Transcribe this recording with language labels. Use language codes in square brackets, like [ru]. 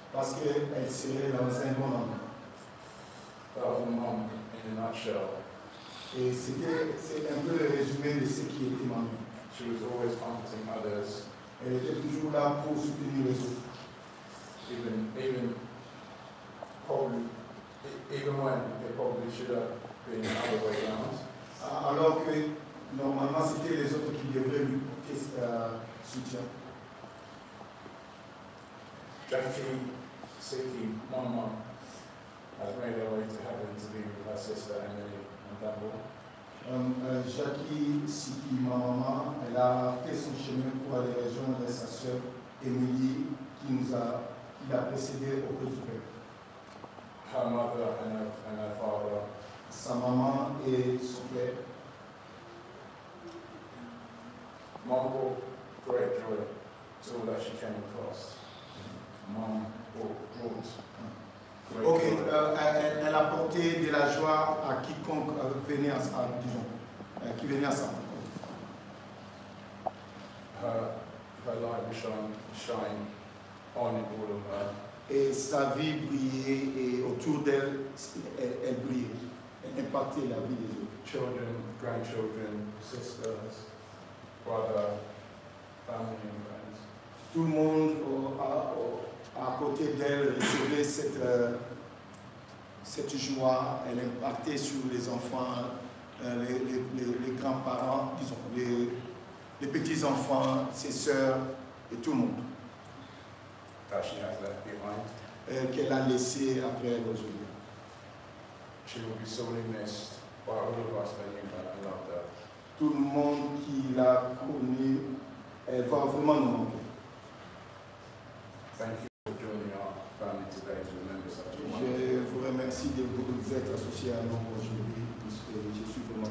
[fr] Parce qu'elle serait dans un bon endroit. [en] That was mom in a nutshell. [fr] Et c'est un peu le résumé de ce qui était ma mère. [en] She was always comforting others. [fr] Elle était toujours là pour soutenir les autres. [en] Even when they probably should have been the other way around. [fr] Alors que normalement c'était les autres qui devraient lui. Soutien. [en] Jackie Siki, Mama, has made her way to heaven to be with her sister Emily and Dabo. [fr] Jackie Siki, Mama, elle a fait son chemin pour aller rejoindre sa sœur Emily qui l'a précédée au cœur du Père. [en] Her mother and her father. [fr] Sa maman et son père. [en] Mom brought great joy to all that she came across. Mom brought great joy. [fr] Okay, elle a porté de la joie à quiconque venait à sa, disons, qui venait à sa rencontre. [en] Her light was shine on and all of her. [fr] Et sa vie brillait et autour d'elle, elle brillait. Elle impactait la vie des autres. [en] Children, grandchildren, sisters. Brother, family and friends. [fr] Tout le monde à côté d'elle recevait cette joie. Elle impactait sur les enfants, les grands-parents, disons, les petits-enfants, ses sœurs et tout le monde. [en] that she has left behind. [fr] Qu'elle a laissé après elle aujourd'hui. [en] She will be sorely missed by all of us that knew her and loved her. [fr] Tout le monde qui l'a connue, elle va vraiment nous manquer. [en] Thank you for joining our family today to remember such a woman. [fr] Je vous remercie de vous être associé à nous aujourd'hui, puisque je suis vraiment